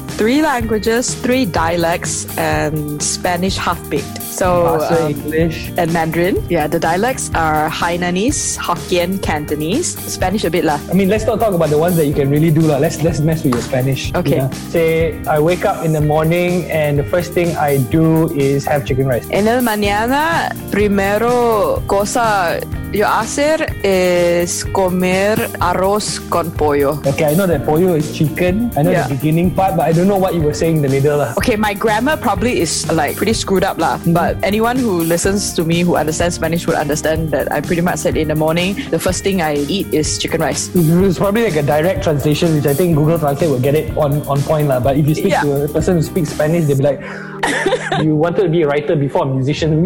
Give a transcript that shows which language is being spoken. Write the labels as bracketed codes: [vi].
[en] 3 languages, 3 dialects, and Spanish half-baked. So, English. And Mandarin. Yeah, the dialects are Hainanese, Hokkien, Cantonese, Spanish a bit lah. I mean, let's not talk about the ones that you can really do lah. Let's mess with your Spanish. Okay. You know? Say, I wake up in the morning and the first thing I do is have chicken rice. [es] En el mañana, primero cosa yo hacer es comer arroz con pollo. [en] Okay, I know that pollo is chicken. I know the beginning part, but I don't know what you were saying in the middle. Okay, my grammar probably is like pretty screwed up lah. Mm-hmm. But anyone who listens to me who understands Spanish would understand that I pretty much said in the morning, the first thing I eat is chicken rice. It's probably like a direct translation, which I think Google Translate will get it on point lah. But if you speak to a person who speaks Spanish, they'll be like, you wanted to be a writer before a musician.